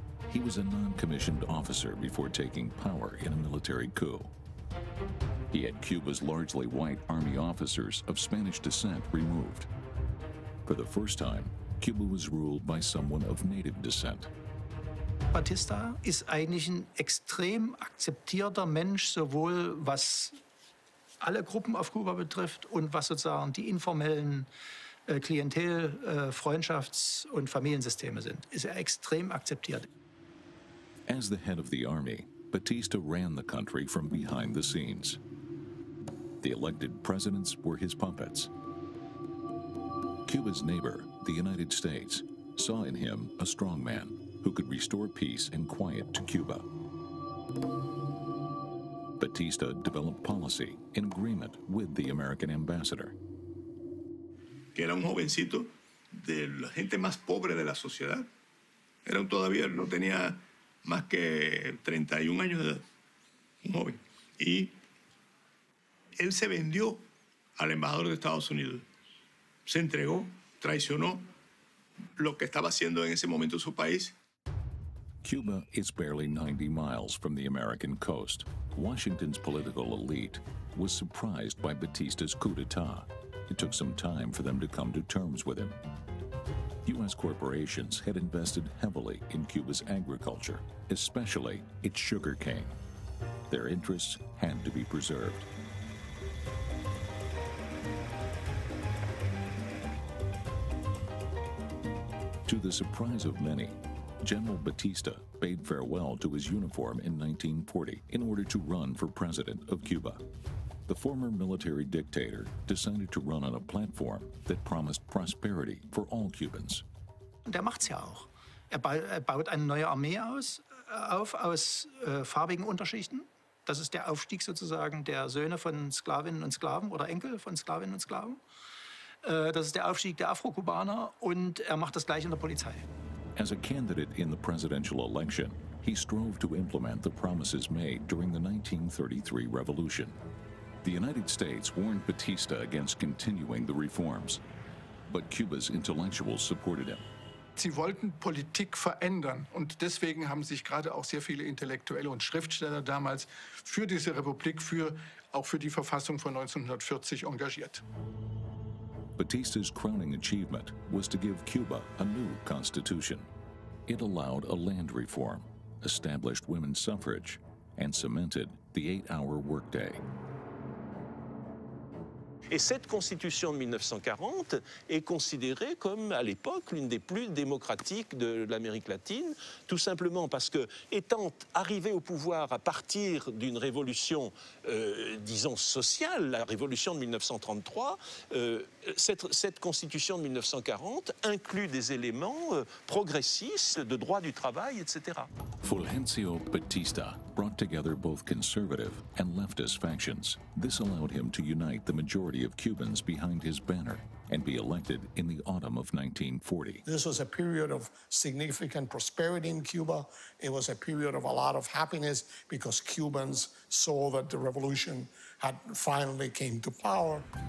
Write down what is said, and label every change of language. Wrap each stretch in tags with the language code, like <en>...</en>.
<en>He was a non-commissioned officer before taking power in a military coup. He had Cuba's largely white army officers of Spanish descent removed. For the first time, Cuba was ruled by someone of native descent.</en> <de>Batista ist eigentlich ein extrem akzeptierter Mensch, sowohl was alle Gruppen auf Kuba betrifft und was sozusagen die informellen Klientel-, Freundschafts- und Familiensysteme sind. Ist er extrem akzeptiert.</de> <en>As the head of the army, Batista ran the country from behind the scenes. The elected presidents were his puppets. Cuba's neighbor, the United States, saw in him a strong man who could restore peace and quiet to Cuba. Batista developed policy in agreement with the American ambassador.</en> <es>Que era un jovencito de la gente más pobre de la sociedad. Era todavía no tenía más que 31 años de edad. Un joven. Y él se vendió al embajador de Estados Unidos. Se entregó, traicionó lo que estaba haciendo en ese momento su país.</es> <en>Cuba is barely 90 miles from the American coast. Washington's political elite was surprised by Batista's coup d'etat. It took some time for them to come to terms with him. U.S. corporations had invested heavily in Cuba's agriculture, especially its sugar cane. Their interests had to be preserved. To the surprise of many, General Batista bade farewell to his uniform in 1940 in order to run for president of Cuba. The former military dictator decided to run on a platform that promised prosperity for all Cubans.</en> <de>Der macht's ja auch. Er baut eine neue Armee aus farbigen Unterschichten. Das ist der Aufstieg sozusagen der Söhne von Sklavinnen und Sklaven oder Enkel von Sklavinnen und Sklaven. Das ist der Aufstieg der Afrokubaner und er macht das gleich in der Polizei.</de> <en>As a candidate in the presidential election, he strove to implement the promises made during the 1933 revolution. The United States warned Batista against continuing the reforms, but Cuba's intellectuals supported him.</en> <de>Sie wollten Politik verändern und deswegen haben sich gerade auch sehr viele Intellektuelle und Schriftsteller damals für diese Republik, auch für die Verfassung von 1940 engagiert.</de> <en>Batista's crowning achievement was to give Cuba a new constitution. It allowed a land reform, established women's suffrage, and cemented the 8-hour workday.</en> <fr>Et cette constitution de 1940 est considérée comme, à l'époque, l'une des plus démocratiques de l'Amérique latine, tout simplement parce que, étant arrivée au pouvoir à partir d'une révolution, disons, sociale, la révolution de 1933, cette constitution de 1940 inclut des éléments progressistes, de droit du travail, etc.</fr> <en>Fulgencio Batista brought together both conservative and leftist factions. This allowed him to unite the majority of Cubans behind his banner and be elected in the autumn of 1940. This was a period of significant prosperity in Cuba. It was a period of a lot of happiness because Cubans saw that the revolution had finally came to power.</en>